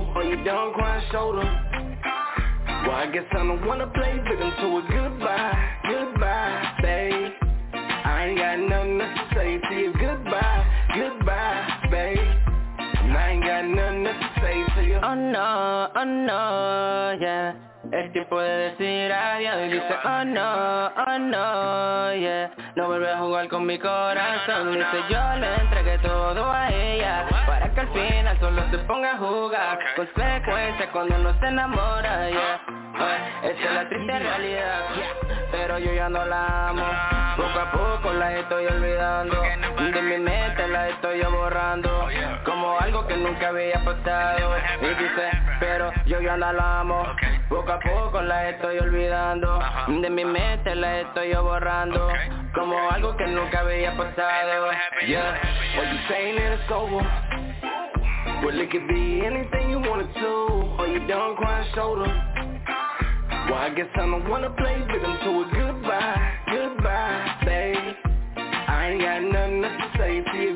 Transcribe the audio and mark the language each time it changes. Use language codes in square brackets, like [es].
[en] Or you done crying shoulder? Well, I guess I don't wanna play victim to a goodbye, goodbye, babe. I ain't got nothing left to say to you. Goodbye, goodbye, babe. I ain't got nothing left to say to you. Oh no, yeah. [es] Es tiempo de decir adiós. Dice, [en] oh no, yeah. [es] No vuelve a jugar con mi corazón. Dice, yo le entregué todo a ella. Al final solo se ponga a jugar, okay. Consecuencia cuando uno se enamora, yeah. Esta es la triste realidad, pero yo ya no la amo. Poco a poco la estoy olvidando, de mi mente la estoy borrando, como algo que nunca había pasado. Y dice, pero yo ya la amo. Poco a poco la estoy olvidando. De mi mente la estoy borrando. Como algo que nunca había pasado. [en] Yeah. Are you saying that it's over? Well, it could be anything you wanted to. Or you done crying shoulder. Well, I guess I'ma wanna play victim to a goodbye, goodbye, babe. I ain't got nothing else to say to you.